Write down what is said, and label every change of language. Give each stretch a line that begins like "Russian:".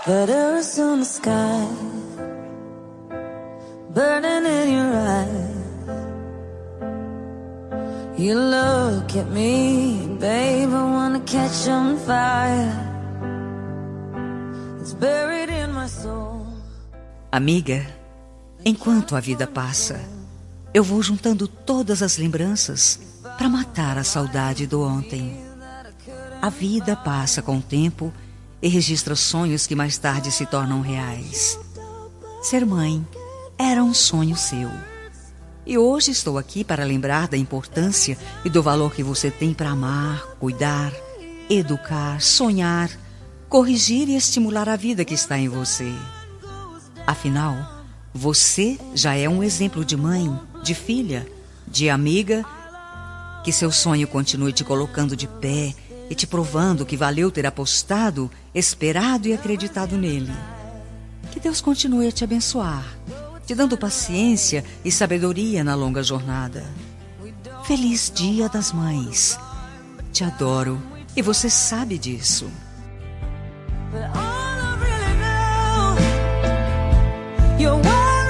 English: Butter's on the sky, burning in your eyes. You look at me, babe, I wanna catch on fire. It's buried in my soul.
Portuguese: Amiga, enquanto a vida passa, eu vou juntando todas as lembranças para matar a saudade do ontem. A vida passa com o tempo e registra sonhos que mais tarde se tornam reais. Ser mãe era um sonho seu. E hoje estou aqui para lembrar da importância e do valor que você tem para amar, cuidar, educar, sonhar, corrigir e estimular a vida que está em você. Afinal, você já é um exemplo de mãe, de filha, de amiga. Que seu sonho continue te colocando de pé e te provando que valeu ter apostado, esperado e acreditado nele. Que Deus continue a te abençoar, te dando paciência e sabedoria na longa jornada. Feliz Dia das Mães. Te adoro e você sabe disso.
English: But all I really know, you're